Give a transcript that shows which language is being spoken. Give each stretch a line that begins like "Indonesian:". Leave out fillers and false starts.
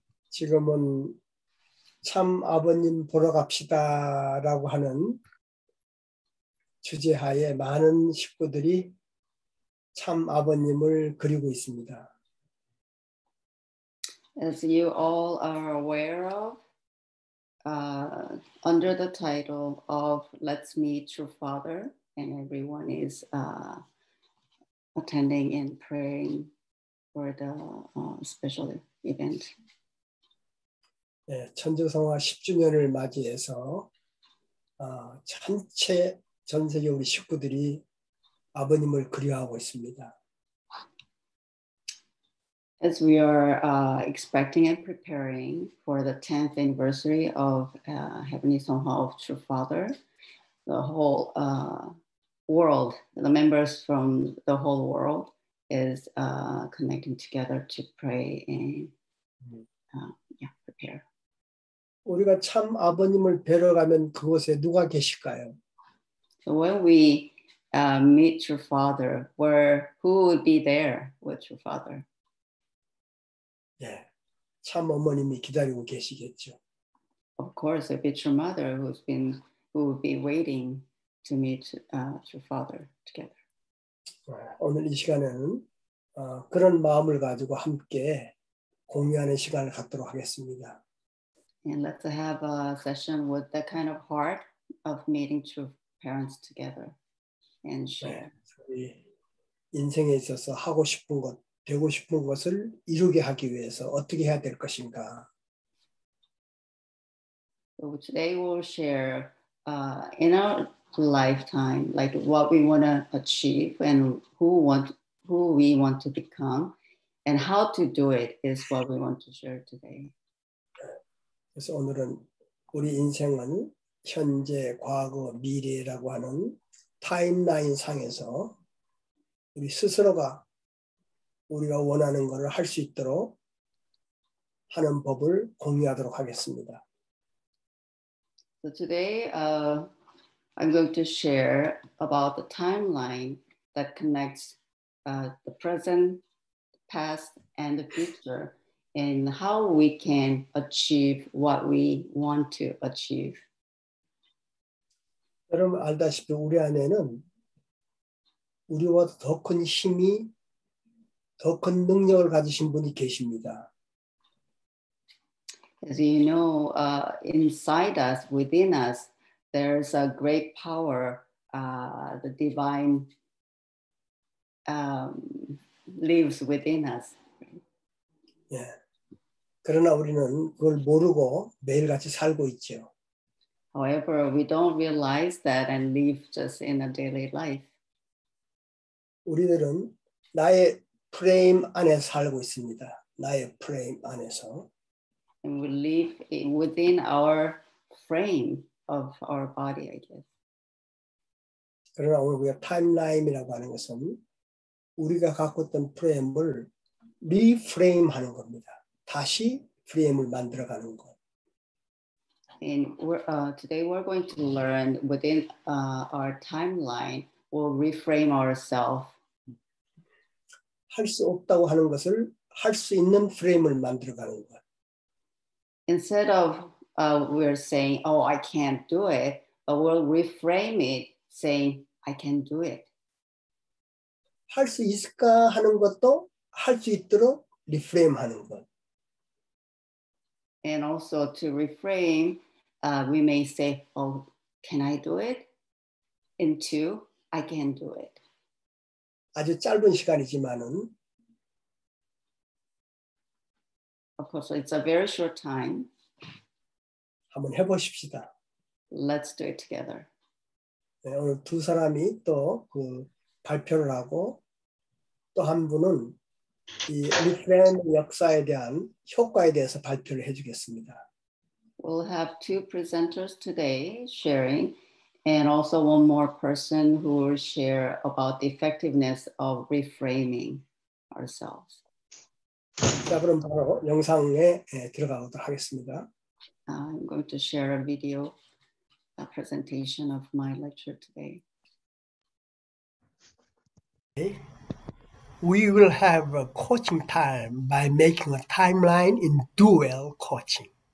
Korean: 지금은 참 아버님 보러 갑시다라고 하는 주제 하에 많은 식구들이 참 아버님을 그리고 있습니다.
English: As you all are aware of, under the title of Let's Meet True Father, and everyone is attending and praying for the special event.
Korean: 네, 천주성화 10주년을 맞이해서 전체 전 세계 우리 식구들이 아버님을 그리워하고 있습니다.
English: As we are expecting and preparing for the 10th anniversary of Heavenly Songha of True Father, the whole world, the members from the whole world is connecting together to pray and prepare.
Korean: 우리가 참 아버님을 뵈러 가면 그곳에 누가 계실까요?
English: So when we meet your father, who would be there with your father?
Korean: 예, 참 어머님이 기다리고 계시겠죠.
English: Of course, it'd be your mother who would be waiting to meet your father together.
Korean: 오늘 이 시간에는 그런 마음을 가지고 함께 공유하는 시간을 갖도록 하겠습니다.
English: And let's have a session with that kind of heart of meeting true parents together and share.
Korean: 네, 인생에 있어서 하고 싶은 것, 되고 싶은 것을 이루게 하기 위해서 어떻게 해야 될 것인가?
English: So today we'll share in our lifetime, like what we want to achieve and who we want to become and how to do it is what we want to share today.
Korean: 그래서 오늘은 우리 인생은 현재, 과거, 미래라고 하는 타임라인 상에서 우리 스스로가 우리가 원하는 것을 할 수 있도록 하는 법을 공유하도록 하겠습니다.
English: So today, I'm going to share about the timeline that connects the present, past, and the future. And how we can achieve what we want to achieve.
Korean: 여러분 알다시피 우리 안에는 우리와 더 큰 힘이 더 큰 능력을 가지신 분이 계십니다.
English: As you know, inside us, within us, there's a great power, the divine lives within us. Yeah.
Korean: 그러나 우리는 그걸 모르고 매일같이 살고 있죠.
English: However, we don't realize that and live just in a daily life.
Korean: 우리들은 나의 프레임 안에 살고 있습니다. 나의 프레임 안에서.
English: And we live within our frame of our body, I guess.
Korean: 그러나 오늘 우리가 타임라인이라고 하는 것은 우리가 갖고 있던 프레임을 리프레임 하는 겁니다. 다시 프레임을 만들어 가는 것.
English: And we're, today we're going to learn within our timeline, we'll reframe ourselves.
Korean: 할 수 없다고 하는 것을 할 수 있는 프레임을 만들어 가는 것.
English: Instead of we're saying, oh, I can't do it, but we'll reframe it saying, I can do it.
Korean: 할 수 있을까 하는 것도 할 수 있도록 리프레임 하는 것.
English: And also to reframe, we may say, oh, can I do it? Into, I can do it.
Korean: 아주 짧은 시간이지만은.
English: Of course, it's a very short time.
Korean: 한번 해보십시다.
English: Let's do it together.
Korean: 네, 오늘 두 사람이 또 그 발표를 하고 또 한 분은 이 리프레임 역사에 대한 효과에 대해서 발표를 해주겠습니다.
English: We'll have two presenters today sharing, and also one more person who will share about the effectiveness of reframing ourselves.
Korean: 자, 그럼 바로 영상에 들어가도록 하겠습니다.
English: I'm going to share a video, a presentation of my lecture today. Okay. We will have a coaching time by making a timeline in dual coaching.